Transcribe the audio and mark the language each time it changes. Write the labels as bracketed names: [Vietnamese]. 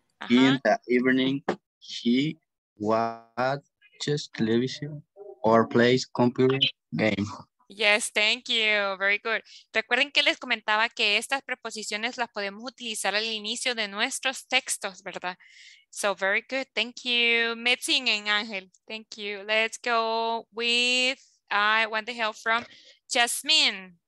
[English] In the evening, he watches television or plays computer game. Yes, thank you. Very good. [Spanish] Recuerden que les comentaba que estas preposiciones las podemos utilizar al inicio de nuestros textos, ¿verdad? [English] So, very good. Thank you. Metzing and Angel. Thank you. Let's go with, I want the help from Jasmine.